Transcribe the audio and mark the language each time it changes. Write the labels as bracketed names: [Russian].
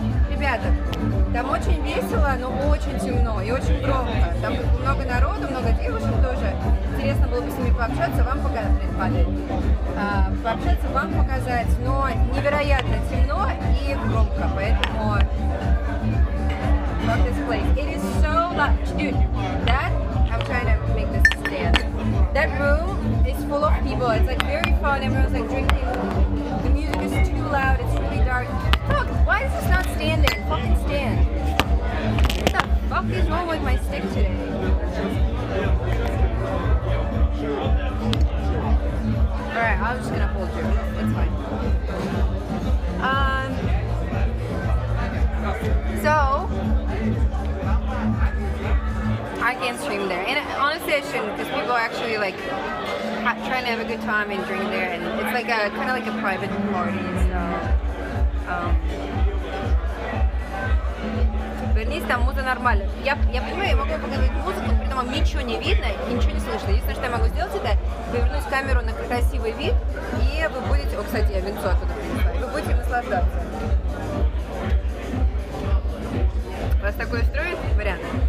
[Russian] Ребята, там очень весело, но очень темно и очень громко. Там много народу, много девушек тоже. Интересно было бы с ними пообщаться, вам показать, но невероятно темно и громко, поэтому... [English] Fuck this place. It is so loud. Dude, that... I'm trying to make this stand. That room is full of people. It's like very fun. Everyone's like drinking. The music is too loud. It's really dark. Fuck, why is this not standing? Fucking stand. What the fuck is wrong with my stick today? Alright, I was just gonna hold you. It's fine. So... I can't stream there. And honestly, I shouldn't, because people are actually like trying to have a good time and drink there. And it's like a kind of like a private party, so. [Russian] там музыка нормально. Я понимаю, я могу показывать музыку, но при этом ничего не видно и ничего не слышно. Единственное, что я могу сделать, это повернуть камеру на красивый вид, и вы будете... О, кстати, я венцу оттуда принесла. Вы будете наслаждаться. Раз такое устроит, вариант.